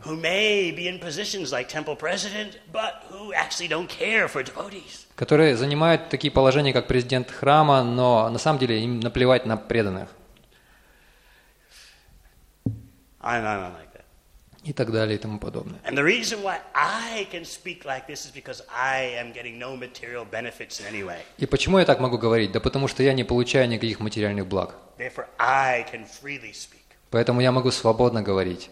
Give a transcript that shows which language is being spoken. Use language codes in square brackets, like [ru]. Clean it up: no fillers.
[en] Who may be in positions like temple president, but who actually don't care for devotees. [ru] Которые занимают такие положения, как президент храма, но на самом деле им наплевать на преданных. [en] I'm like that. [ru] И так далее и тому подобное. [en] And the reason why I can speak like this is because I am getting no material benefits in any way. [ru] И почему я так могу говорить? Да потому что я не получаю никаких материальных благ. [en] Therefore, I can freely speak. [ru] Поэтому я могу свободно говорить.